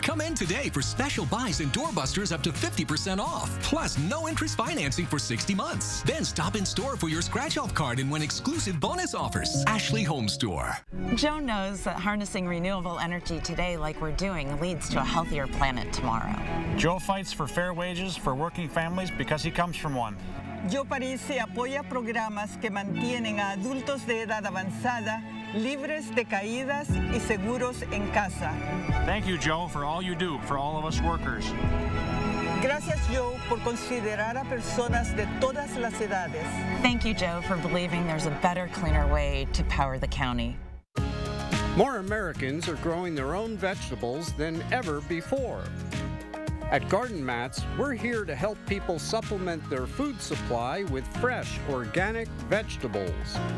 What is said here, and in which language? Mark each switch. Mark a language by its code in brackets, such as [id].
[en] Come in today for special buys and doorbusters up to 50% off, plus no interest financing for 60 months. Then stop in store for your scratch-off card and win exclusive bonus offers. Ashley Home Store. Joan knows that harnessing renewable energy today like we're doing leads to a healthier planet tomorrow. Joe fights for fair wages for working families because he comes from one. [es] Yo Parise apoya programas que mantienen a adultos de edad avanzada libres de caídas y seguros en casa. [en] Thank you, Joe, for all you do for all of us workers. [es] Gracias, Joe, por considerar a personas de todas las edades. [en] Thank you, Joe, for believing there's a better, cleaner way to power the county. More Americans are growing their own vegetables than ever before. At Garden Mats, we're here to help people supplement their food supply with fresh, organic vegetables.